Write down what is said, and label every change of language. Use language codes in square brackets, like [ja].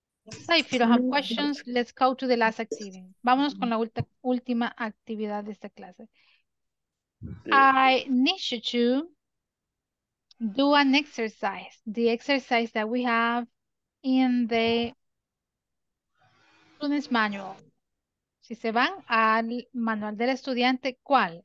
[en] So if you don't have questions, let's go to the last activity. [es] Vámonos con la última actividad de esta clase. [en] I need you to do an exercise. The exercise that we have in the student's manual. [es] Si se van al manual del estudiante, ¿cuál?